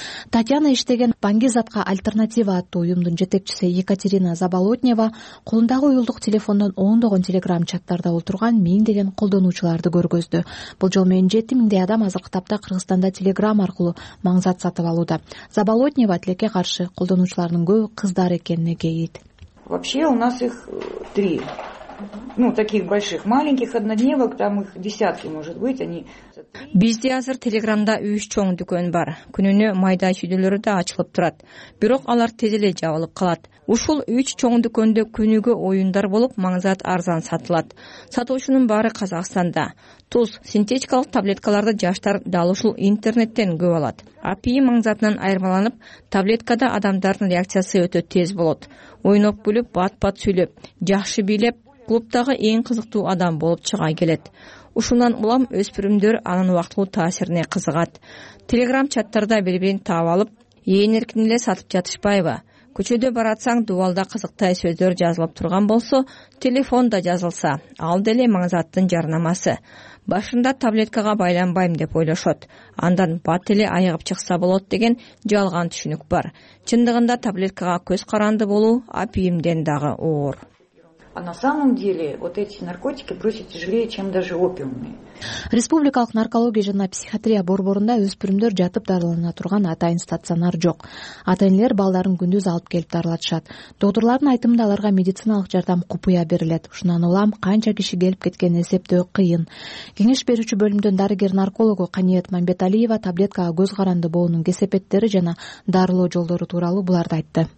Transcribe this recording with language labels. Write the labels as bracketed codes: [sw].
[ky] Татьяна иштеген баңгизатка альтернатива аттуу уюмдун жетекчиси Екатерина Заболотнева колундагы уюлдук телефондон ондогон телеграм чаттарда отурган миңдеген колдонуучуларды көргөздү. Бул жол менен 7000 адам азыркы тапта Кыргызстанда телеграм аркылуу маңзат сатып алууда. Заболотнева тилекке каршы колдонуучулардын көбү кыздар экенине кейит. [ru] Вообще у нас их 3. Ну, таких больших, маленьких однодневок, там их десятки может быть, они. [ky] Бизде азыр Телеграмда 3 чоң дүкөн бар. Күнүнө майда чүйдөлөрү да ачылып турат. Бирок алар тез эле жабылып калат. Ушул 3 чоң дүкөндө күнүгө оюндар болуп, маңзат арзан сатылат. Сатуучунун баары Казакстанда. Туз, синтетикалык таблеткаларды жаштар дал ушул интернеттен көп алат. АПИ маңзатынан айырмаланып, таблеткада адамдардын реакциясы өтө тез болот. Ойноп күлүп, бат-бат сүйлөп, жакшы бийлеп, клубтагы эң кызыктуу адам болуп чыга келет. Ушундан улам өспүрүмдөр анын убактылуу таасирине кызыгат. Телеграм чаттарда бири-бирин таап алып, ээн эркин эле сатып жатышпайбы? Көчөдө баратсаң, дубалда кызыктай сөздөр жазылып турган болсо, телефон да жазылса, ал деле маңзаттын жарнамасы. Башында таблеткага байланбайм деп ойлошот. Андан бат эле айыгып чыкса болот деген жалган түшүнүк бар. Чындыгында таблеткага көз каранды болуу АПИ-мден дагы оор. [ru] А на самом деле вот эти наркотики просто тяжелее, чем даже опиумные. [ky] Республикалык наркология жана психиатрия борборунда өспүрүмдөр жатып дарылана турган атайын стационар жок. Ата-энелер балдарын күндүз алып келип дарылатышат. Доктурлардын айтымында аларга медициналык жардам купуя берилет. Ушундан улам канча киши келип кеткенин эсептөө кыйын. Кеңеш берүүчү бөлүмдөн дарыгер-наркологу Каниет Мамбеталиева таблеткага көз каранды болуунун кесепеттери жана дарылоо жолдору тууралуу буларды айтты.